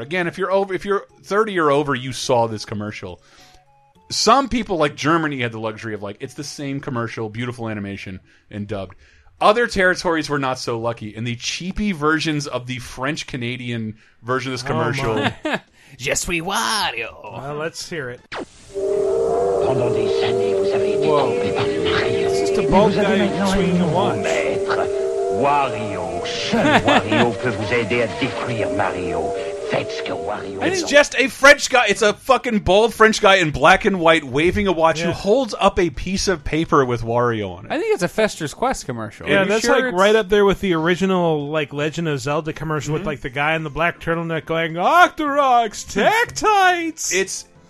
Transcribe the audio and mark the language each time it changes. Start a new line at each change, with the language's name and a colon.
English: Again, if you're 30 or over, you saw this commercial. Some people, like Germany, had the luxury of like, it's the same commercial, beautiful animation, and dubbed. Other territories were not so lucky, and the cheapy versions of the French-Canadian version of this commercial.
French: Oh, je suis Wario.
English: Well, let's hear it.
French: Pendant des années, vous avez été trompé par le rire.
English: It's just a bald guy between the
French: maître. Wario, seul Wario peut vous aider à décrire Mario.
English: It's just a French guy. It's a fucking bald French guy in black and white waving a watch who holds up a piece of paper with Wario on it. I think it's a Fester's Quest commercial. Yeah, that's sure like right up there with the original like Legend of Zelda commercial with like the guy in the black turtleneck going, Octorox, Tektites!